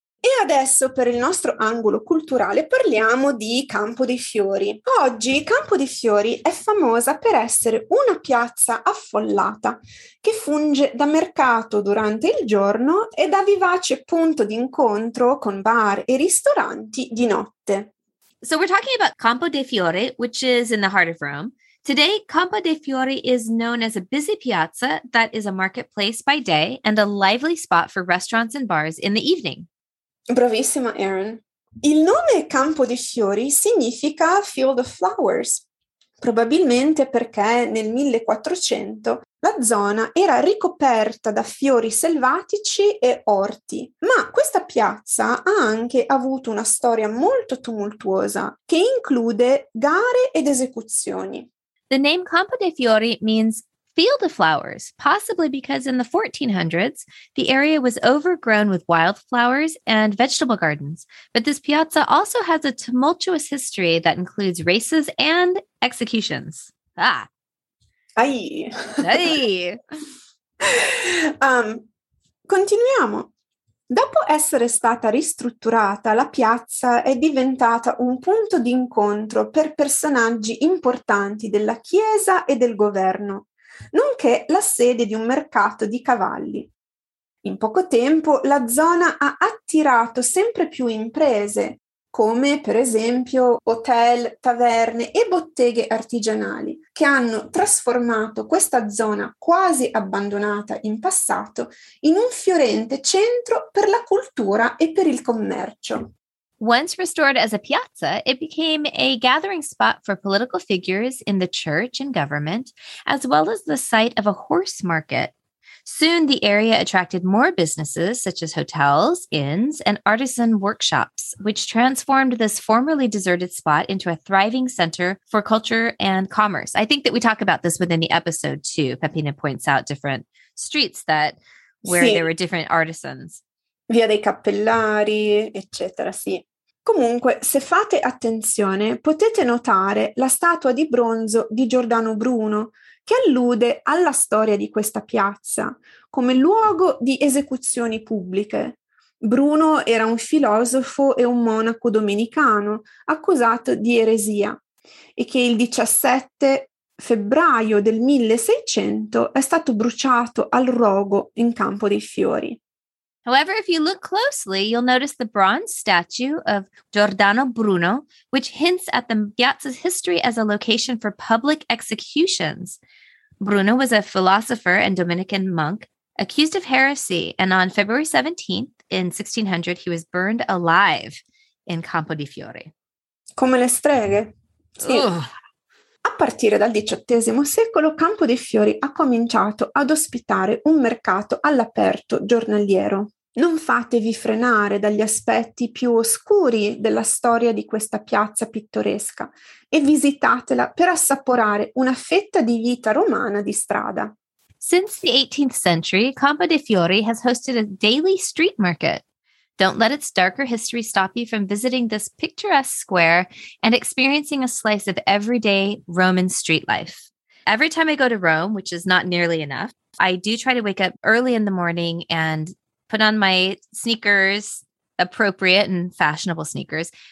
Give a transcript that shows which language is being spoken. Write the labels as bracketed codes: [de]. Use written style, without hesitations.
[it] E adesso per il nostro angolo culturale parliamo di Campo dei Fiori. Oggi Campo dei Fiori è famosa per essere una piazza affollata che funge da mercato durante il giorno e da vivace punto di incontro con bar e ristoranti di notte. [en] So we're talking about Campo dei Fiori, which is in the heart of Rome. Today, Campo dei Fiori is known as a busy piazza that is a marketplace by day and a lively spot for restaurants and bars in the evening. [it] Bravissima, Erin. Il nome Campo dei Fiori significa [en] Field of Flowers, [it] probabilmente perché nel 1400 la zona era ricoperta da fiori selvatici e orti. Ma questa piazza ha anche avuto una storia molto tumultuosa che include gare ed esecuzioni. [en] The name Campo dei Fiori means Field of Flowers, possibly because in the 1400s, the area was overgrown with wildflowers and vegetable gardens. But this piazza also has a tumultuous history that includes races and executions. Ah. Ay. Ay. [it] Continuiamo. Dopo essere stata ristrutturata, la piazza è diventata un punto di incontro per personaggi importanti della chiesa e del governo, nonché la sede di un mercato di cavalli. In poco tempo la zona ha attirato sempre più imprese, come per esempio hotel, taverne e botteghe artigianali, che hanno trasformato questa zona quasi abbandonata in passato in un fiorente centro per la cultura e per il commercio. [en] Once restored as a piazza, it became a gathering spot for political figures in the church and government, as well as the site of a horse market. Soon, the area attracted more businesses, such as hotels, inns, and artisan workshops, which transformed this formerly deserted spot into a thriving center for culture and commerce. I think that we talk about this within the episode, too. Peppina points out different streets that where sì. There were different artisans. [it] Via dei Cappellari, eccetera, sì. Comunque, se fate attenzione, potete notare la statua di bronzo di Giordano Bruno, che allude alla storia di questa piazza, come luogo di esecuzioni pubbliche. Bruno era un filosofo e un monaco domenicano, accusato di eresia, e che il 17 febbraio del 1600 è stato bruciato al rogo in Campo dei Fiori. [en] However, if you look closely, you'll notice the bronze statue of Giordano Bruno, which hints at the piazza's history as a location for public executions. Bruno was a philosopher and Dominican monk accused of heresy, and on February 17th in 1600, he was burned alive in Campo dei Fiori. [it] Come le streghe? Sì. A partire dal XVIII secolo, Campo dei Fiori ha cominciato ad ospitare un mercato all'aperto giornaliero. Non fatevi frenare dagli aspetti più oscuri della storia di questa piazza pittoresca e visitatela per assaporare una fetta di vita romana di strada. [en] Since the 18th century, Campo dei Fiori has hosted a daily street market. Don't let its darker history stop you from visiting this picturesque square and experiencing a slice of everyday Roman street life. Every time I go to Rome, which is not nearly enough, I do try to wake up early in the morning and put on my sneakers, appropriate and fashionable sneakers.